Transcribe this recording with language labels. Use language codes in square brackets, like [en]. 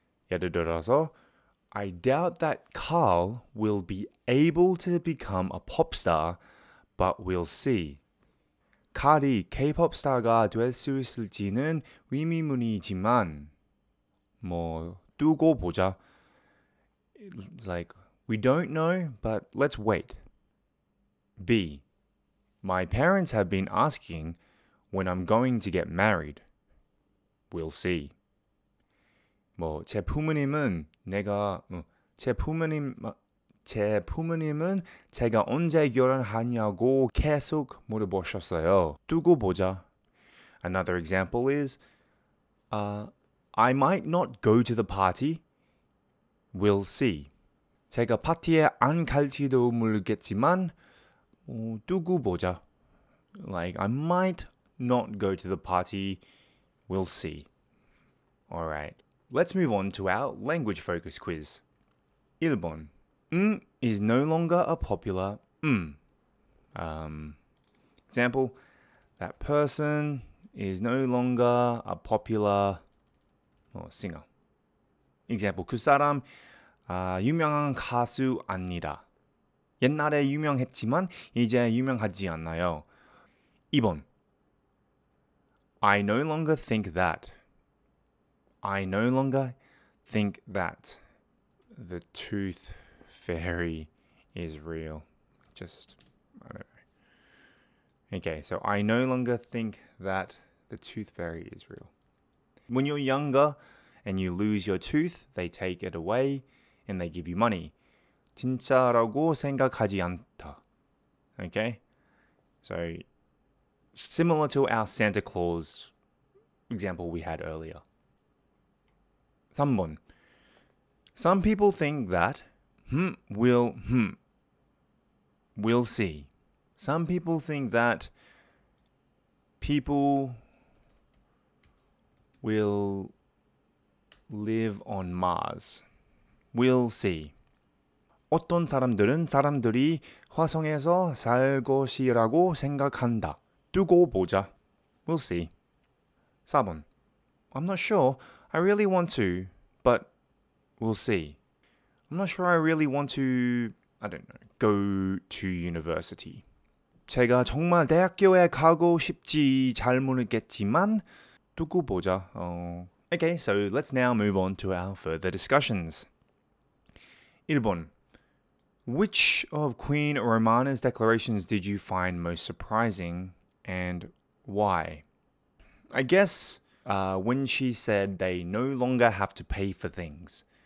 [ko] 예를 들어서, [en] I doubt that Carl will be able to become a pop star, but we'll see. [ko] 칼이 K-pop 스타가 될 수 있을지는 의미문이지만, 뭐, 두고 보자. [en] It's like, we don't know, but let's wait. B. My parents have been asking when I'm going to get married. We'll see. [ko] 뭐, 제 부모님은 내가 제 부모님은 제가 언제 결혼하냐고 계속 물어보셨어요. 두고 보자. [en] Another example is I might not go to the party. We'll see. [ko] 제가 파티에 안 갈지도 모르겠지만 두고 보자. [en] Like I might not go to the party. We'll see. All right. Let's move on to our language focus quiz. 1. Is no longer a popular Example, that person is no longer a popular singer. [ko] Example, 그 사람 유명한 가수 아니다. 옛날에 유명했지만 이제 유명하지 않나요? 2. [en] I no longer think that. I no longer think that the tooth fairy is real. I don't know. Okay, so I no longer think that the tooth fairy is real. When you're younger and you lose your tooth, they take it away and they give you money. [ko] 진짜라고 생각하지 않다. [en] Okay? So, similar to our Santa Claus example we had earlier. [ko] 3번. [en] Some people think that we'll see. Some people think that people will live on Mars. We'll see. [ko] 어떤 사람들은 사람들이 화성에서 살 것이라고 생각한다. 두고 보자. [en] We'll see. [ko] 4번. [en] I'm not sure. I really want to, but we'll see. I'm not sure I really want to, I don't know, go to university. [ko] 제가 정말 대학교에 가고 싶지 잘 모르겠지만 두고 보자. [en] Okay, so let's now move on to our further discussions. [ko] 1번. [en] Which of Queen Romana's declarations did you find most surprising and why? I guess when she said they no longer have to pay for things.